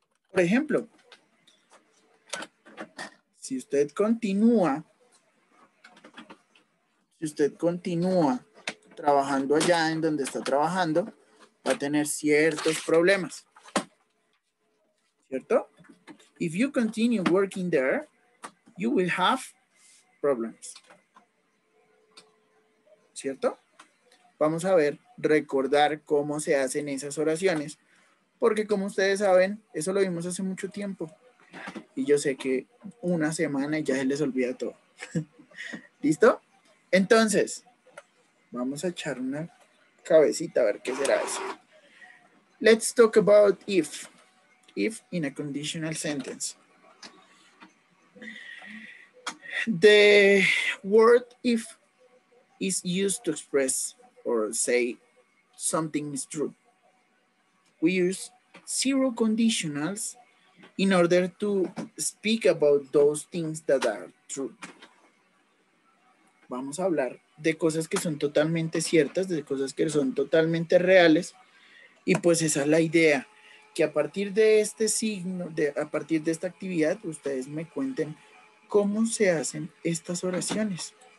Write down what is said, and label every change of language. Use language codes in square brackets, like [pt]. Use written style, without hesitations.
[es] Por ejemplo, si usted continúa, si usted continúa trabajando allá en donde está trabajando, va a tener ciertos problemas. ¿Cierto? [en] If you continue working there, you will have problems. [es] ¿Cierto? Vamos a ver, recordar cómo se hacen esas oraciones. Porque como ustedes saben, eso lo vimos hace mucho tiempo. Y yo sé que una semana ya se les olvida todo. ¿Listo? Entonces, vamos a echar una cabecita a ver qué será eso. [en] Let's talk about if. If in a conditional sentence. The word if is used to express or say something is true. We use zero conditionals in order to speak about those things that are true. [es] Vamos a hablar de cosas que son totalmente ciertas, de cosas que son totalmente reales. Y pues esa es la idea, que a partir de este signo, a partir de esta actividad, ustedes me cuenten cómo se hacen estas oraciones.